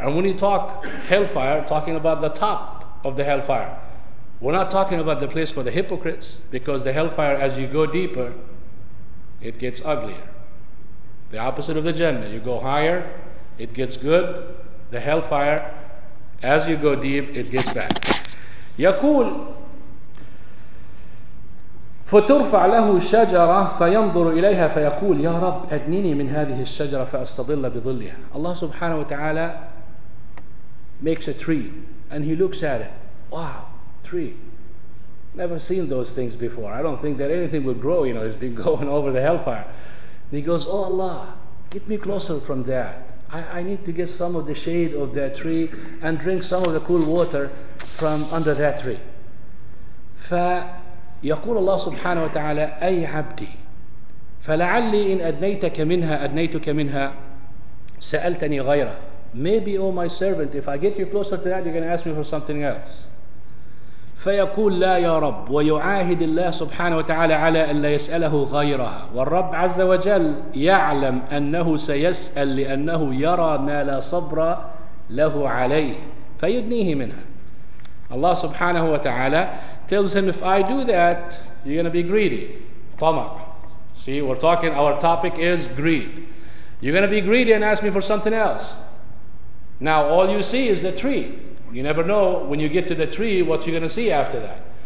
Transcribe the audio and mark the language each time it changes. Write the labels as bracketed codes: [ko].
[en] And when you talk hellfire, talking about the top of the hellfire, we're not talking about the place for the hypocrites, because the hellfire, as you go deeper, it gets uglier. The opposite of the Jannah. You go higher, it gets good. The hellfire, as you go deep, it gets bad. [ar] يقول فترفع له شجرة فينظر إليها فيقول يا رب أدنيني من هذه الشجرة فأستظل بظلها. [en] Allah subhanahu wa ta'ala makes a tree and he looks at it. Wow, tree. Never seen those things before. I don't think that anything will grow, you know, it's been going over the hellfire. And he goes, oh Allah, get me closer from that. I need to get some of the shade of that tree and drink some of the cool water from under that tree. [ar] فيقول الله سبحانه وتعالى أي عبدي فلعلي إن أدنيتك منها أدنيتك منها سألتني غيره. [en] Maybe, oh my servant, if I get you closer to that, you're going to ask me for something else. [ar] فيقول لا يا رب ويعاهد الله سبحانه وتعالى على أن لا يسأله غيرها. والرب عز وجل يعلم أنه سيسأل لأنه يرى ما لا صبر له عليه فيدنيه منها. [en] الله سبحانه وتعالى tells him, if I do that, you're going to be greedy. [ar] طمع. [en] See, we're talking, our topic is greed. You're going to be greedy and ask me for something else. Now all you see is the tree. You never know when you get to the tree what you're going to see after that.